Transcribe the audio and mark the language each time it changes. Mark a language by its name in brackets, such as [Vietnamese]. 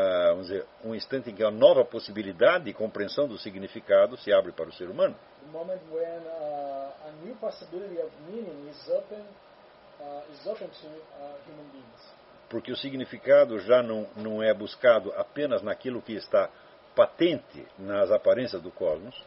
[Portuguese] vamos dizer, um instante em que a nova possibilidade de compreensão do significado se abre para o ser humano. [English] The moment when a new possibility of meaning is open to human beings. [Portuguese] Porque o significado já não é buscado apenas naquilo que está patente nas aparências do cosmos.